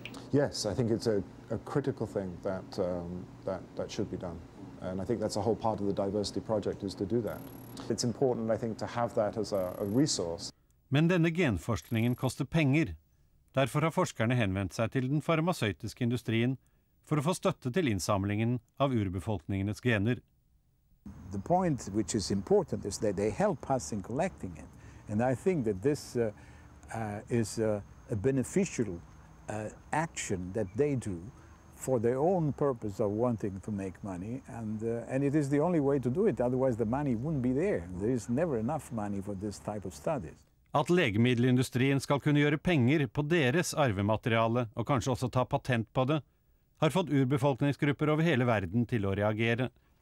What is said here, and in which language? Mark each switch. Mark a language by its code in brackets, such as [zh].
[en] Yes, I think it's a critical thing that should be done. And I think that's a whole part of the diversity project is to do that. It's important, I think, to have that as a resource. [no] Men denne genforskningen koster penger. Derfor har forskerne henvendt seg til den farmasøytiske industrien for å få støtte til innsamlingen av urbefolkningenes gener. [en] The point which is important is that they help us in collecting it. And I think that this is a beneficial action that they do for their own purpose of wanting to make money. And it is the only way to do it, otherwise the money wouldn't be there. There is never enough money for this type of studies. [no] At legemiddelindustrien skal kunne gjøre penger på deres arvemateriale og kanskje også ta patent på det, har fått urbefolkningsgrupper over hele verden til å reagere.